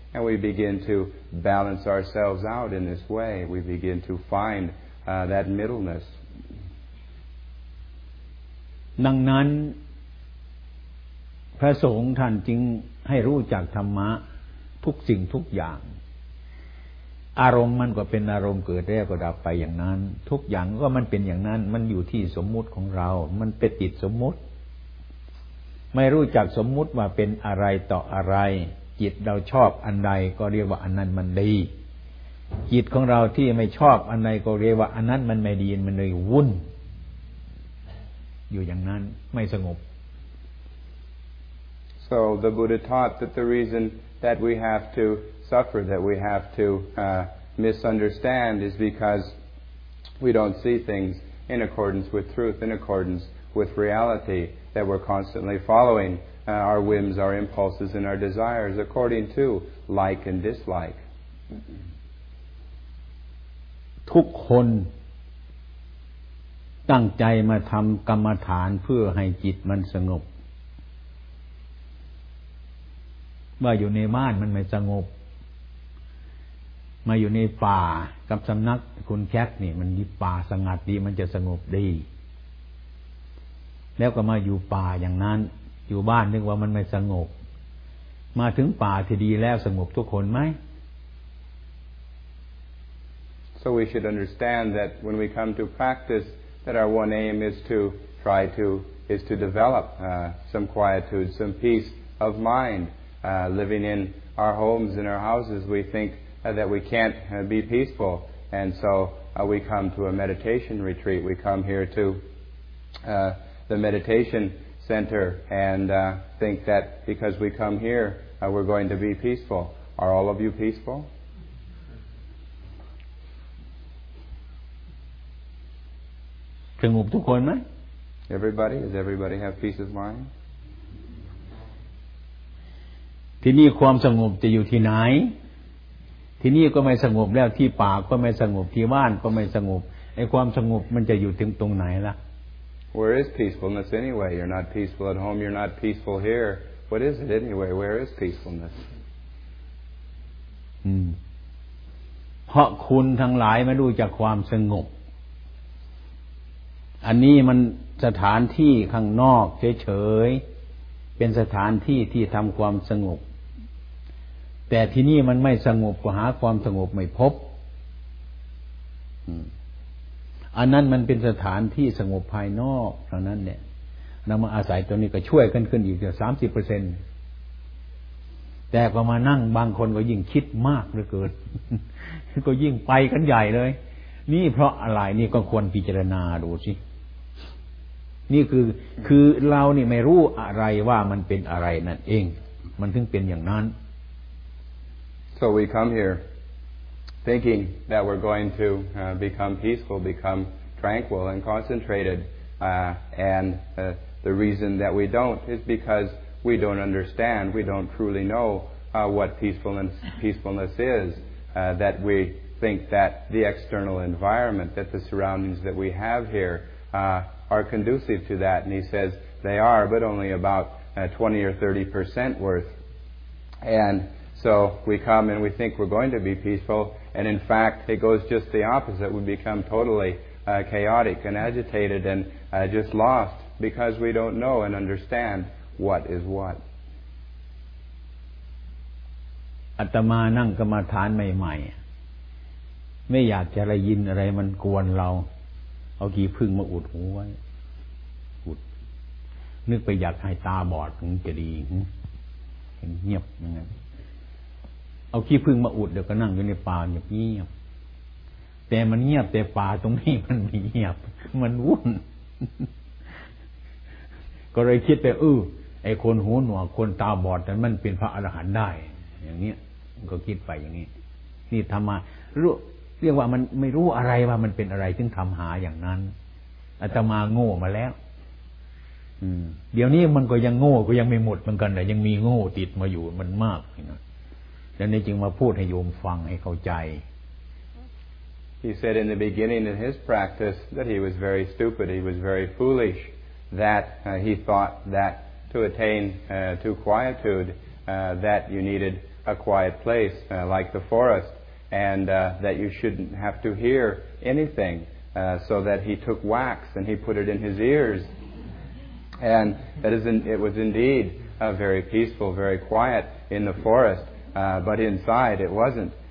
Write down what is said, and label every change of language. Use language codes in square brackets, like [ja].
[en] And we begin to balance ourselves out in this way. We begin to find that middleness. [th] ดังนั้นพระสงฆ์ท่านจึงให้รู้จักธรรมะทุกสิ่งทุกอย่างอารมณ์มันก็เป็นอารมณ์เกิดแล้วก็ดับไปอย่างนั้นทุกอย่างก็มันเป็นอย่างนั้นมันอยู่ที่สมมุติของเรามันเป็นติดสมมุติ ไม่รู้จักสมมุติว่าเป็นอะไรต่ออะไรจิตเราชอบอันใดก็เรียกว่าอันนั้นมันดีจิตของเราที่ไม่ชอบอันใดก็เรียกว่าอันนั้นมันไม่ดีมันเลยวุ่นอยู่อย่างนั้นไม่สงบ [en] So the Buddha taught that the reason that we have to suffer that we have to misunderstand is because we don't see things in accordance with truth in accordance with reality that we're constantly following our whims our impulses and our desires according to like and dislike [th] ทุกคนตั้งใจมาทำกรรมฐานเพื่อให้จิตมันสงบมาอยู่ในบ้านมันไม่สงบมาอยู่ในป่ากับสำนักคุณแคทนี่มันมีป่าสงัดดีมันจะสงบดีแล้วก็มาอยู่ป่าอย่างนั้นอยู่บ้านนึกว่ามันไม่สงบมาถึงป่าที่ดีแล้วสงบทุกคนไหม [en] So we should understand that when we come to practiceThat our one aim is to try to is to develop some quietude, some peace of mind. Living in our homes, in our houses, we think that we can't be peaceful, and so we come to a meditation retreat. We come here to the meditation center and think that because we come here, we're going to be peaceful. Are all of you peaceful? [th] สงบทุกคนไหม [en] Everybody, does everybody have peace of mind? ท [th] ที่นี่ความสงบจะอยู่ที่ไหนที่นี่ก็ไม่สงบแล้วที่ป่าก็ไม่สงบที่บ้านก็ไม่สงบไอ้ความสงบมันจะอยู่ถึงตรงไหนล่ะ [en] Where is peacefulness anyway? You're not peaceful at home. You're not peaceful here. What is it anyway? Where is peacefulness? [th] เพราะคุณทั้งหลายไม่รู้จักความสงบอันนี้มันสถานที่ข้างนอกเฉยๆเป็นสถานที่ที่ทำความสงบแต่ที่นี่มันไม่สงบก็หาความสงบไม่พบ อันนั้นมันเป็นสถานที่สงบภายนอกเท่านั้นเนี่ยเรามาอาศัยตัวนี้ก็ช่วยกันขึ้นอีกเกือบ 30% แต่พอมานั่งบางคนก็ยิ่งคิดมากเหลือเกินก็ยิ่งไปกันใหญ่เลยนี่เพราะอะไรนี่ก็ควรพิจารณาดูสินี่คือเรานี่ไม่รู้อะไรว่ามันเป็นอะไรนั่นเองมันถึงเป็นอย่างนั้น [en] So we come hereThinking that we're going to become peaceful, become tranquil and concentrated, the reason that we don't is because we don't understand, we don't truly know what peacefulness is. That we think that the external environment, that the surroundings that we have here are conducive to that. And he says they are, but only about 20 or 30% worth. And so we come and we think we're going to be peacefulAnd in fact, it goes just the opposite. We become totally chaotic and agitated and just lost because we don't know and understand what is what. [th] อาตมานั่งกรรมฐานใหม่ๆไม่อยากจะได้ยินอะไรมันกวนเราเอากี่พึ่งมาอุดหูไว้อุดนึกไปอยากให้ตาบอดถึงจะดีเงียบอย่างนั้นเอาขี้พึ่งมาอุดเดี๋ยวก็นั่งอยู่ในป่าเงียบๆแต่มันเงียบแต่ป่าตรงนี้มันไม่เงียบมันวุ่น ก็เลยคิดไปเออไอ้คนหูหนวกคนตาบอดนั้นมันเป็นพระอรหันต์ได้อย่างเงี้ยก็คิดไปอย่างงี้นี่ธรรมะรู้เรียกว่ามันไม่รู้อะไรว่ามันเป็นอะไรถึงทำหาอย่างนั้นอาตมาโง่มาแล้วเดี๋ยวนี้มันก็ยังโง่ก็ยังไม่หมดเหมือนกันแต่ยังมีโง่ติดมาอยู่มันมากแล้วนี่จึงมาพูดให้โยมฟังให้เข้าใจ [en] He said in the beginning in his practice that he was very stupid, he was very foolish, that he thought that to attain to quietude that you needed a quiet place like the forest and that you shouldn't have to hear anything so that he took wax and he put it in his ears and that it was indeed very peaceful, very quiet in the forestBut inside it wasn't.